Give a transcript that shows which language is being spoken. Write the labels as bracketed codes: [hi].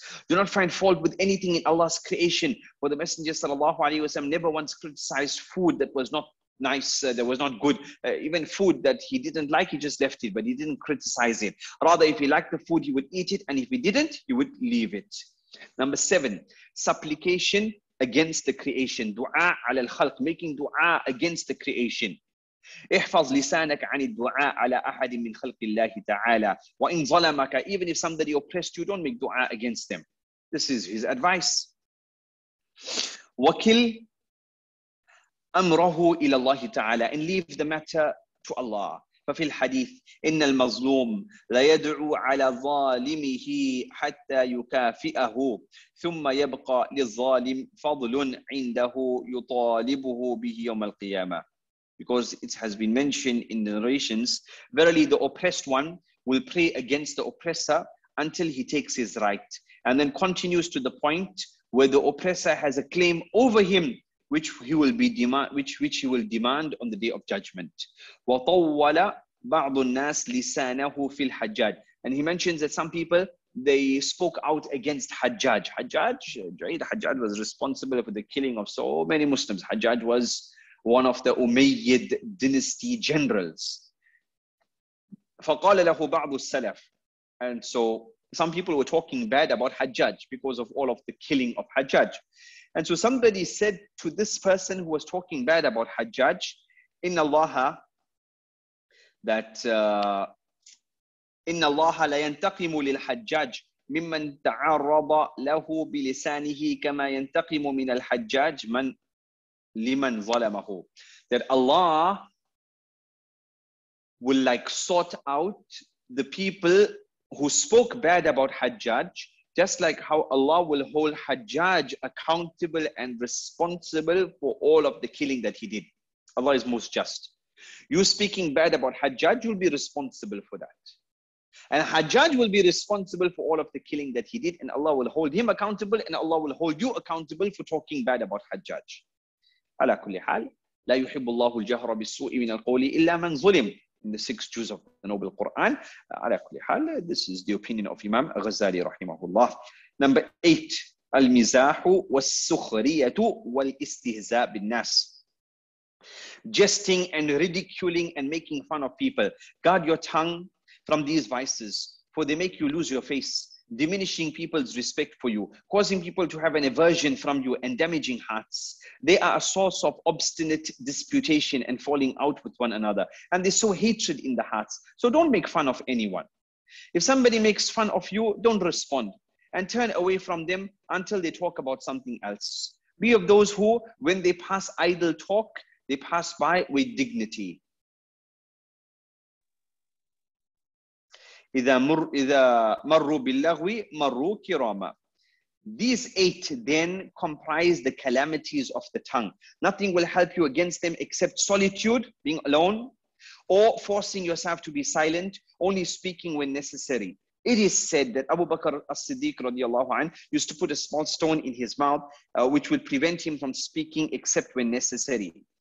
[en] Do not find fault with anything in Allah's creation. For the Messenger sallallahu alaihi wasallam never once criticized food that was not nice, that was not good. Even food that he didn't like, he just left it, but he didn't criticize it. Rather, if he liked the food, he would eat it, and if he didn't, he would leave it. Number 7, supplication against the creation. Dua ala al-khalq, making dua against the creation. [ar] احفظ لسانك عن الدعاء على أحد من خلق الله تعالى وإن ظلمك. [en] Even if somebody oppressed you, don't make dua against them. This is his advice. [ar] وكل أمره إلى الله تعالى [en] and leave the matter to Allah. [ar] ففي الحديث إن المظلوم لا يدعو على ظالمه حتى يكافئه ثم يبقى للظالم فضل عنده يطالبه به يوم القيامة. [en] Because it has been mentioned in the narrations, verily the oppressed one will pray against the oppressor until he takes his right, and then continues to the point where the oppressor has a claim over him, which he will demand on the day of judgment. [ar] وَطَوَّلَ بَعْضُ النَّاسِ لِسَانَهُ فِي الْحَجَّاجِ. [en] And he mentions that some people, they spoke out against Hajjaj. Hajjaj was responsible for the killing of so many Muslims. Hajjaj was one of the Umayyad dynasty generals. [ar] فَقَالَ لَهُ بَعْضُ السَّلَفِ. [en] And so some people were talking bad about Hajjaj because of all of the killing of Hajjaj. And so somebody said to this person who was talking bad about Hajjaj, [ar] إِنَّ اللَّهَ [en] that [ar] إِنَّ اللَّهَ لَيَنْتَقِمُ لِلْحَجَّاجِ مِمَّنْ تَعَرَّضَ لَهُ بِلِسَانِهِ كَمَا يَنْتَقِمُ مِنَ الْحَجَّاجِ مَنْ لِمَنْ ظَلَمَهُ. [en] That Allah will like sort out the people who spoke bad about Hajjaj, just like how Allah will hold Hajjaj accountable and responsible for all of the killing that he did. Allah is most just. You speaking bad about Hajjaj, you'll be responsible for that. And Hajjaj will be responsible for all of the killing that he did, and Allah will hold him accountable, and Allah will hold you accountable for talking bad about Hajjaj. [ar] على كل حال لا يحب الله الجهر بالسوء من القول إلا من ظلم. [en] In the 6 juz of the noble Quran, [ar] على كل حال, [en] this is the opinion of Imam Ghazali رحمه الله. Number 8, [ar] المزاح والسخرية والاستهزاء بالناس. [en] Jesting and ridiculing and making fun of people. Guard your tongue from these vices, for they make you lose your face, diminishing people's respect for you, causing people to have an aversion from you, and damaging hearts. They are a source of obstinate disputation and falling out with one another. And they sow hatred in the hearts. So don't make fun of anyone. If somebody makes fun of you, don't respond and turn away from them until they talk about something else. Be of those who, when they pass idle talk, they pass by with dignity. [ar] إذا مروا باللغو مروا كراما. [en] These 8 then comprise the calamities of the tongue. Nothing will help you against them except solitude, being alone, or forcing yourself to be silent, only speaking when necessary. It is said that Abu Bakr as-Siddiq radiallahu anhu used to put a small stone in his mouth, which would prevent him from speaking except when necessary.